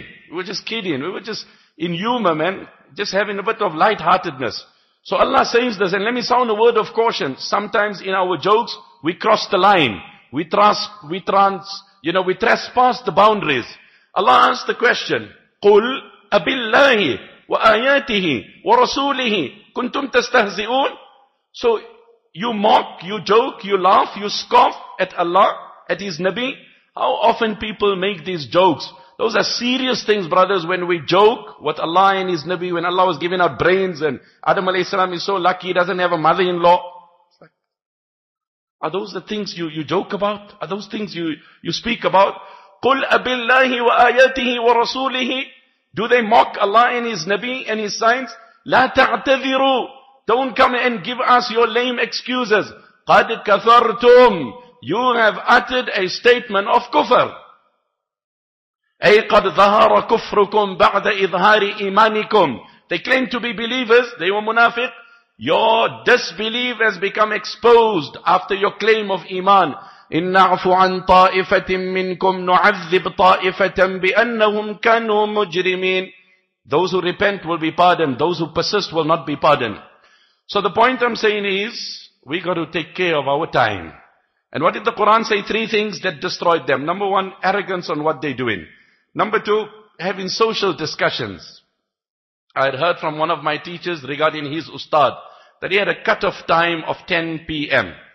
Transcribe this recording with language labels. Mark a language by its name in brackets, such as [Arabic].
[English] We were just kidding. We were just in humor, man. Just having a bit of lightheartedness. So Allah says this, and let me sound a word of caution. Sometimes in our jokes, we cross the line. We trespass the boundaries. Allah asks the question, [Arabic] قُلْ أَبِ اللَّهِ وَآيَاتِهِ وَرَسُولِهِ كُنْتُمْ تَسْتَهْزِئُونَ. [English] So you mock, you joke, you laugh, you scoff at Allah, at His Nabi. How often people make these jokes? Those are serious things, brothers, when we joke with Allah and His Nabi, when Allah was giving out brains and Adam alayhi salam is so lucky he doesn't have a mother-in-law. Are those the things you joke about? Are those things you speak about? [Arabic] قُلْ أَبِ اللَّهِ وَآيَاتِهِ وَرَسُولِهِ. [English] Do they mock Allah and His Nabi and His signs? [Arabic] لَا تَعْتَذِرُوا. [English] Don't come and give us your lame excuses. [Arabic] قَدْ كَثَرْتُمْ. [English] You have uttered a statement of kufr. [Arabic] أي قد ظهر كفركم بعد إظهار إيمانكم. [English] They claim to be believers, they were munafiq. Your disbelief has become exposed after your claim of iman. [Arabic] إن نعفو عن طائفة منكم نعذب طائفة بأنهم كانوا مجرمين. [English] Those who repent will be pardoned, those who persist will not be pardoned. So the point I'm saying is, we got to take care of our time. And what did the Quran say? Three things that destroyed them. Number one, arrogance on what they're doing. Number two, having social discussions. I had heard from one of my teachers regarding his ustad that he had a cut-off time of 10 p.m.